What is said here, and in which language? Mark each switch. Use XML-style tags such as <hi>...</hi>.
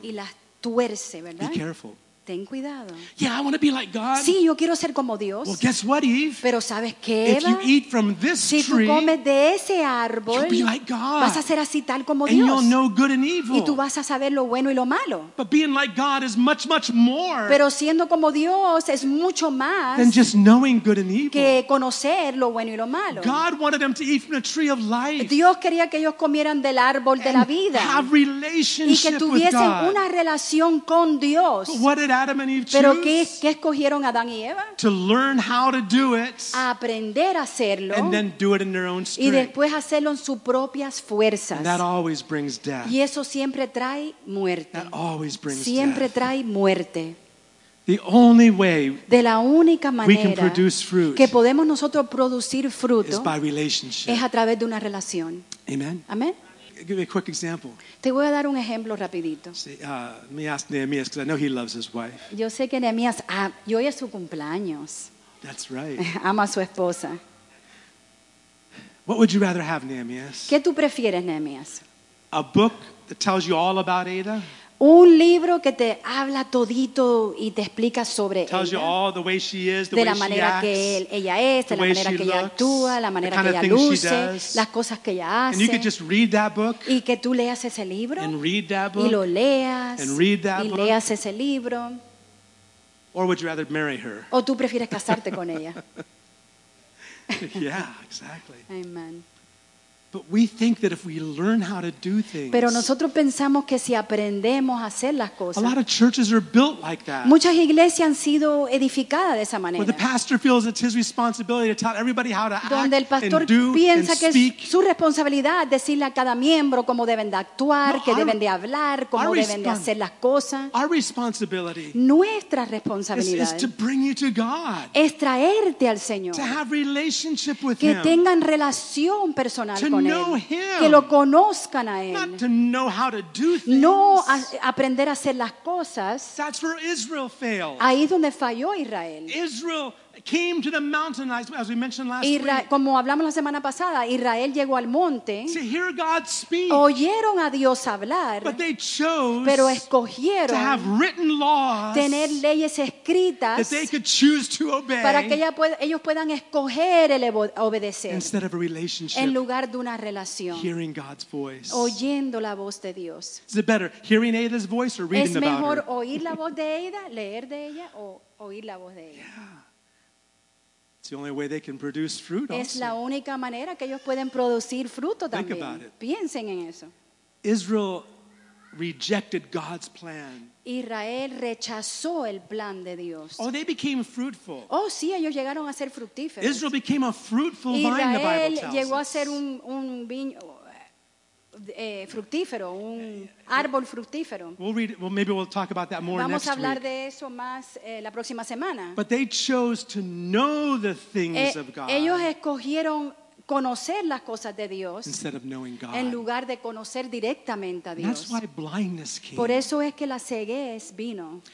<es>Y las tuerce, ¿verdad?</es> <en>Be careful.</en> <es>Ten cuidado.</es> <en>Yeah, I want to be like God.</en> <es>Sí, yo quiero ser como Dios.</es> <en>Well, guess what, Eve?</en> <es>Pero ¿sabes qué, Eva?</es> <en>If you eat from this</en> <es>si</es> <en>tree,</en> <es>tú comes de ese árbol,</es> <en>you'll be like God.</en> <es>Vas a ser así tal como</es> <en>and</en> <es>Dios.</es> <en>You'll know good and evil.</en> <es>Y tú vas a saber lo bueno y lo malo.</es> <en>But being like God is much, much more.</en> <es>Pero siendo como Dios es mucho más</es> <en>than just knowing good and evil.</en> <es>Que conocer lo bueno y lo malo.</es> <en>God wanted them to eat from the tree of life.</en> <es>Dios quería que ellos comieran del árbol de la vida.</es> <en>Have relationship</en> <es>y que tuviesen</es> <en>with God.</en> <es>Una relación con Dios.</es> <en>Adam and Eve</en> <es>pero ¿qué escogieron Adán y Eva?</es> <en>To learn how to do it,</en> <es>aprender a hacerlo</es> <en>and then do it in their own strength.</en> <es>Y después hacerlo en sus propias fuerzas.</es> <en>And that always brings death.</en> <es>Y eso siempre trae muerte.</es> <en>That always brings</en> <es>siempre</es> <en>death.</en> <es>Trae muerte.</es> <en>The only way</en> <es>de la única manera</es> <en>we can produce fruit</en> <es>que podemos nosotros producir fruto</es> <en>is by relationship.</en> <es>Es a través de una relación. Amen. Amen.</es> <en>Give me a quick example.</en> <es>Te voy a dar un ejemplo rapidito.</es> <en>Let me ask Nehemías, because I know he loves his wife.</en> <es>Yo sé que Nehemías, hoy es su cumpleaños.</es> <en>That's right.</en> <es>Ama a su esposa.</es> <en>What would you rather have, Nehemías?</en> <es>¿Qué tú prefieres, Nehemías?</es> <en>A book that tells you all about Ada?</en> <es>Un libro que te habla todito y te explica sobre</es> <en>tells</en> <es>ella.</es> <en>You all the way she is, the</en> <es>de</es> <en>way</en> <es>la manera</es> <en>she</en> <es>que</es> <en>acts,</en> <es>ella es, de la manera que</es> <en>looks,</en> <es>ella actúa, la manera</es> <en>kind of</en> <es>que ella luce, las cosas que ella hace.</es> <en>And you could just read that book</en> <es>y que tú leas ese libro</es> <en>and read that book</en> <es>y lo leas</es> <en>and read that</en> <es>y</es> <en>book.</en> <es>Leas ese libro.</es> <en>Or would you rather marry her?</en> <es>O tú prefieres casarte con ella.</es> <en>Yeah, exactly. Amen. But we think that if we learn how to do things,</en> <es>pero nosotros pensamos que si aprendemos a hacer las cosas,</es> <en>a lot of churches are built like that.</en> <es>Muchas iglesias han sido edificadas de esa manera.</es> <en>Where the pastor feels it's his responsibility to tell everybody how to act and do and speak.</en> <es>Donde el pastor piensa que es su responsabilidad decirle a cada miembro cómo deben de actuar, no, qué deben de hablar, cómo deben de hacer las cosas.</es> <en>Our responsibility.</en> <es>Nuestra responsabilidad</es> <en>is to bring you to God.</en> <es>Es traerte al Señor.</es> <en>To have relationship with</en> <es>que</es> <en>him.</en> <es>Que tengan relación personal.</es> <en>To know him,</en> <es>que lo conozcan a él.</es> <en>Not to know how to do things.</en> <es>No a aprender a hacer las cosas.</es> <en>That's where Israel failed.</en> <es>Ahí donde falló Israel.</es> <en>Israel came to the mountain, as we mentioned last week.</en> <es>Como hablamos la semana pasada, Israel llegó al monte.</es> <en>To hear God speak.</en> <es>Oyeron a Dios hablar.</es> <en>But they chose.</en> <es>Pero escogieron.</es> <en>To have written laws.</en> <es>Tener leyes escritas.</es> <en>That they could choose to obey.</en> <es>Para que ellos puedan escoger el obedecer.</es> <en>Instead of a relationship.</en> <es>En lugar de una relación.</es> <en>Hearing God's voice.</en> <es>Oyendo la voz de Dios.</es> <en>Is it better hearing Ada's voice or reading about her?</en> <es>Es mejor oír la voz de Ada, leer de ella o oír la voz de ella.</es> <en>Yeah. It's the only way they can produce fruit also.</en> <es>Es la única manera que ellos pueden producir fruto también.</es> <en>Think about it.</en> <es>Piensen en eso.</es> <en>Israel rejected God's plan.</en> <es>Israel rechazó el plan de Dios.</es> <en>Oh, they became fruitful.</en> <es>Oh, sí, ellos llegaron a ser fructíferos.</es> <en>Israel became a fruitful vine, Israel the Bible tells</en> <es>Israel llegó</es> <en>us.</en> <es>A ser un viño fructífero, un árbol fructífero.</es> <en>We'll read, well, maybe we'll talk about that more</en> <es>vamos</es> <en>next</en> <es>a hablar</es> <en>week.</en> <es>De eso más la próxima semana.</es> <en>But they chose to know the things of God.</en> <es>Ellos escogieron conocer las cosas de Dios</es> <en>instead of knowing God.</en> <es>En lugar de conocer directamente a Dios.</es> <en>That's why blindness came.</en> <es>Por eso es que la ceguez vino.</es>